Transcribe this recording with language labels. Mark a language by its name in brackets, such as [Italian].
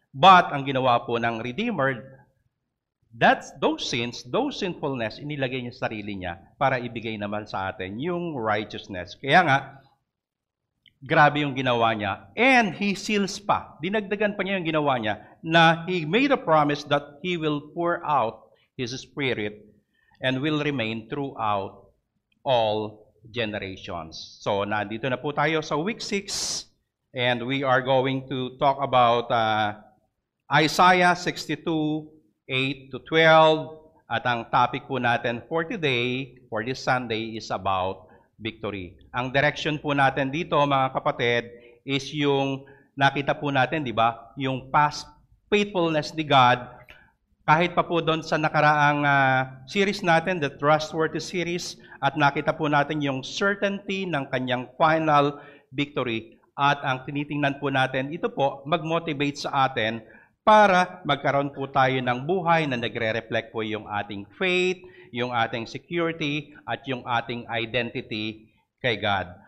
[Filipino] But ang ginawa po ng Redeemer, [English] those sinfulness, [Filipino] inilagay niya sa sarili niya para ibigay naman sa atin yung righteousness. Kaya nga, grabe yung ginawa niya. [English] And He seals pa. [Filipino] Dinagdagan pa niya yung ginawa niya na [English] He made a promise that He will pour out His Spirit and will remain throughout all generations. So, [Filipino] nandito na po tayo sa [English] week 6 and we are going to talk about Isaiah 62:8-12, [Filipino] at ang topic po natin [English] for today, for this Sunday, is about victory. [Filipino] Ang direction po natin dito, mga kapatid, is yung nakita po natin, di ba, yung past faithfulness ni God. Kahit pa po doon sa nakaraang series natin, the Trustworthy series, at nakita po natin yung certainty ng Kanyang final victory. At ang tinitingnan po natin, ito po, mag-motivate sa atin para magkaroon po tayo ng buhay na nagre-reflect po yung ating faith, yung ating security at yung ating identity kay God.